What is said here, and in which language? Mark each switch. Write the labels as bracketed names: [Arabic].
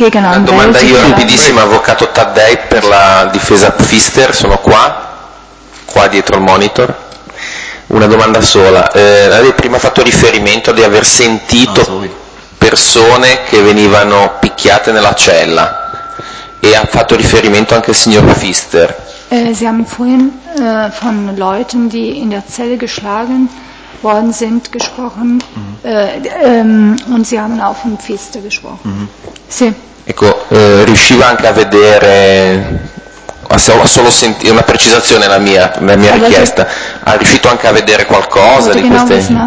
[Italian] La domanda io, rapidissimo, avvocato Taddei per la difesa Pfister, sono qua dietro al monitor. Una domanda sola, lei prima ha fatto riferimento di aver sentito persone che venivano picchiate nella cella, e ha fatto riferimento anche al signor Pfister. [German] Sie haben vorhin von Leuten, die in der Zelle geschlagen worden sind, gesprochen. Und sie haben auch von Pfister gesprochen. [Italian] Sì. Ecco, riusciva anche a vedere, solo senti, una precisazione la mia richiesta. Ha riuscito anche a vedere qualcosa di queste